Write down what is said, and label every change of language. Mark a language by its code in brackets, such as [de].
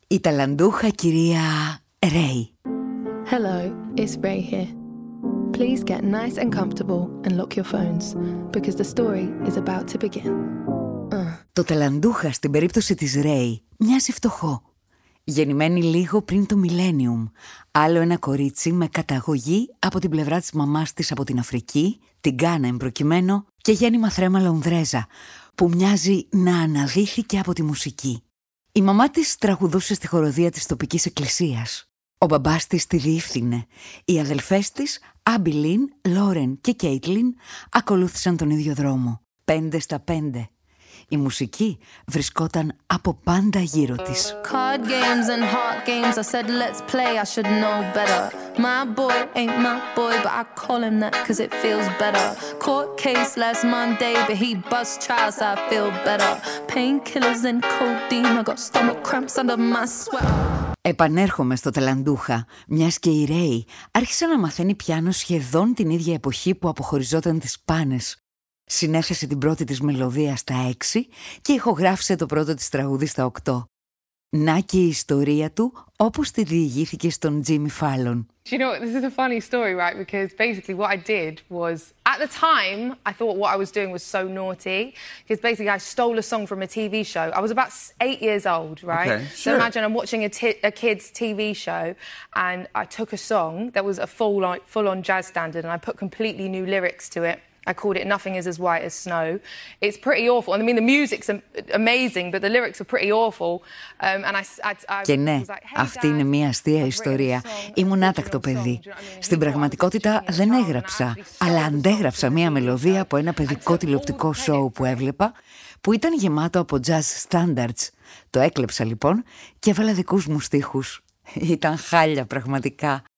[el] Η ταλαντούχα κυρία Ray. [en] Hello, it's Ray here. Please get nice and comfortable and lock your phones because the story is about to begin. [el] Το ταλαντούχα στην περίπτωση της Ray μοιάζει φτωχό. Γεννημένη λίγο πριν το Millennium, άλλο ένα κορίτσι με καταγωγή από την πλευρά της μαμάς της από την Αφρική, την Γκάνα εμπροκειμένο, και γέννημα θρέμα Λονδρέζα, που μοιάζει να αναδύθηκε από τη μουσική. Η μαμά της τραγουδούσε στη χοροδία της τοπικής εκκλησίας. Ο μπαμπάς της τη διεύθυνε. Οι αδελφές της, Άμπιλιν, Λόρεν και Κέιτλιν, ακολούθησαν τον ίδιο δρόμο. 5 στα 5. Η μουσική βρισκόταν από πάντα γύρω της. [en] Card games and heart games, I said let's play, I should know better. My boy ain't my boy, but I call him that cause it feels better. Court case last Monday, but he bust trials, I feel better. Painkillers and codeine, I got stomach cramps under my sweater. [el] Επανέρχομαι στο ταλαντούχα, μιας και η Ray άρχισε να μαθαίνει πιάνο σχεδόν την ίδια εποχή που αποχωριζόταν τις πάνες. Συνέθεσε την πρώτη της μελωδία στα 6 και ηχογράφησε το πρώτο της τραγούδι στα 8. Να και η ιστορία του όπως τη διηγήθηκε στον Jimmy Fallon. [en] You know, this is a funny story, right? Because basically what I did was, at the time, I thought what I was doing was so naughty. Because basically I stole a song from a TV show. I was about 8 years old, right? Okay, sure. So imagine I'm watching a kid's TV show and I took a song that was a full on jazz standard and I put completely new lyrics to it. I called it Nothing Is As White As Snow. It's pretty awful. I mean, the music's amazing, but the lyrics are pretty awful. [el] Και ναι, αυτή είναι μια αστεία ιστορία. Ήμουν άτακτο παιδί. Στην πραγματικότητα δεν έγραψα, αλλά αντέγραψα μια μελωδία από ένα παιδικό τηλεοπτικό σόου που έβλεπα, που ήταν γεμάτο από jazz standards. Το έκλεψα λοιπόν και έβαλα δικούς μου στίχους. Ήταν χάλια πραγματικά.